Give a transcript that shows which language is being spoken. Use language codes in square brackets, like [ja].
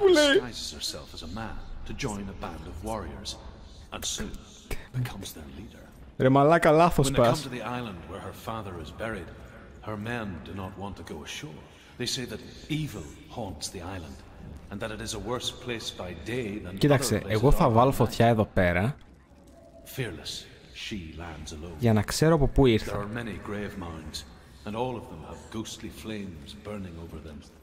[en] Disguises herself as a man to join a band of warriors, and soon becomes their leader. [el] Ρε μαλάκα, λάθος πας. [en] When they come to the island where her father is buried, her men do not want to go ashore. They say that evil haunts the island, and that it is a worse place by day than. [el] Κοίταξε, εγώ θα βάλω φωτιά εδώ πέρα. [en] Fearless, she lands alone. [el] Για να ξέρω από πού ήρθα. [en] There are many grave mounds, and all of them have ghostly flames burning over them.